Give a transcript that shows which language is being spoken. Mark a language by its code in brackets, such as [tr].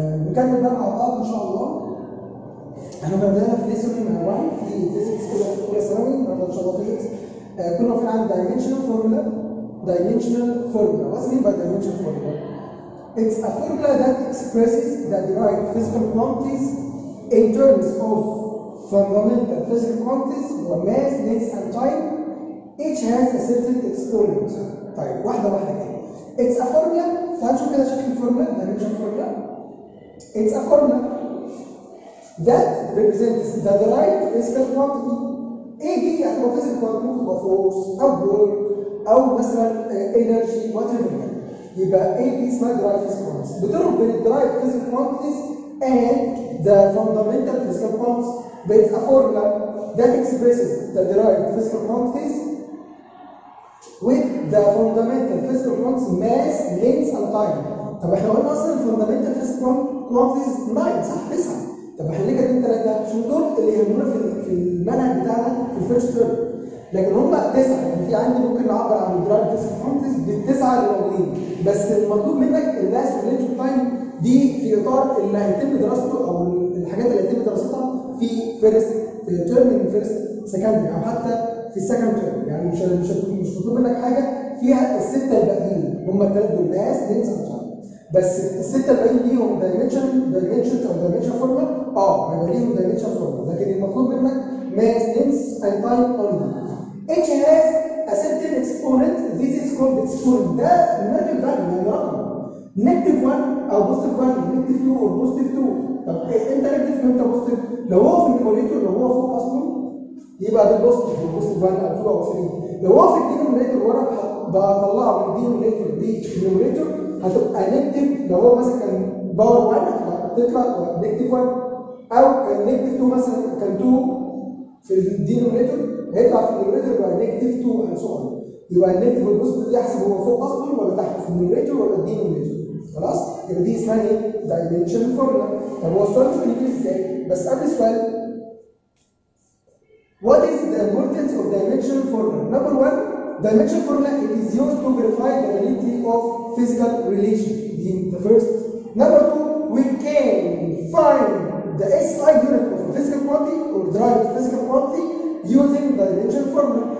[ar] نكمل بقى مع بعض ان شاء الله. احنا بدانا في ليسون مع بعض في فيزيكس كده في اولى ثانوي، النهارده ان شاء الله فيزيكس. كنا واقفين عند دايمنشنال فورمولا. دايمنشنال فورمولا، واسمي بقى دايمنشنال فورمولا. [en] It's a formula that expresses that derived physical quantities in terms of fundamental physical quantities were mass, length and time. Each has a certain exponent. [ar] طيب واحدة واحدة كده. [en] It's a formula. [ar] فهنشوف كده شكل الفورمولا، دايمنشنال فورمولا. [en] It's a formula that represents the derived physical quantity. [ar] ايه دي؟ يعني physical quantity ممكن تبقى فورس او work او مثلا energy whatever. يبقى ايه دي اسمها derived physical quantities. بتربط بين [en] derived physical quantities and the fundamental physical quantities. [ar] بقت [en] a formula that expresses the derived physical quantities with the fundamental physical quantities mass, length and time. [ar] طب احنا قلنا اصلا fundamental physical quantities 9 صح؟ 9. طب احنا ليه جايبين 3؟ عشان دول اللي يهمونا في المنهج بتاعنا في الفيرست تيرم. لكن هم 9، في عندي ممكن نعبر عن الدرايف فيزيكال كوانتيتيز بالتسعه اللي موجودين، بس المطلوب منك الماس والرينج والتايم دي في اطار اللي هيتم دراسته او الحاجات اللي هيتم دراستها في فيرست تيرم، فيرست سكند، او حتى في السكند تيرم. يعني مش مطلوب منك حاجه فيها السته الباقيين، هم الثلاث دول ماس لينس اند تايم. بس السته الباقيين دي هم دايمنشن او دايمنشن فورمولا؟ اه هيبقى ليهم دايمنشن فورمولا، لكن المطلوب منك ماس لينس اند تايم اونلي. [en] H has a certain exponent. This is called exponent. [ar] ده negative value، يعني رقم. [en] Negative 1 أو positive 1، negative 2 أو positive 2. [ar] طب أنت negative وأنت positive. لو هو في النيوميريتور، لو هو فوق أصلا، يبقى ده positive، يبقى positive 1 أو 2 أو 3. لو هو في الدينوميريتور ورا بطلعه من الدينوميريتور للنيوميريتور، هتبقى negative. لو هو مثلا كان باور 1 هتطلع negative 1، أو كان negative 2 مثلا كان 2 في الدينوميريتور، هيطلع في النيوميريتور يبقى نيجاتيف 2 اند سو اون. يبقى النيجاتيف والبوزيتيف يحسب هو فوق اصلا ولا تحت، في النيوميريتور ولا الدينوميريتور. خلاص؟ يبقى دي اسمها ايه؟ دايمنشن فورمولا. طب وصلت الفكره ازاي؟ بس قبل السؤال، [en] What is the importance of dimension formula؟ Number 1، dimension formula it is used to verify the validity of physical relation. دي the first. Number 2، we can find the SI unit of physical quantity or derived physical quantity using the dimension formula.